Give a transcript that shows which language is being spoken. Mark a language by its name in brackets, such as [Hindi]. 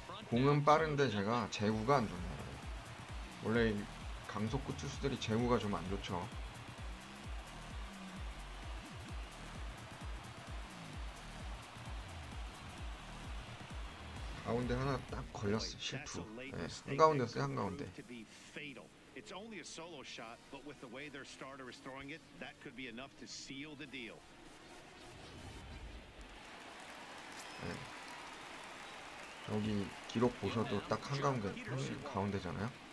[Korean] 공은 빠른데 제가 제구가 안 좋네. 원래 강속구 투수들이 제구가 좀 안 좋죠. 가운데 하나 딱 걸렸어. 실투. 네, 한가운데 쓰 한가운데. [English] It's only a solo shot, but with the way their starter is throwing it, that could be enough to seal the deal. [Korean] 네. 여기 기록 보셔도 딱 한가운데 가운데잖아요.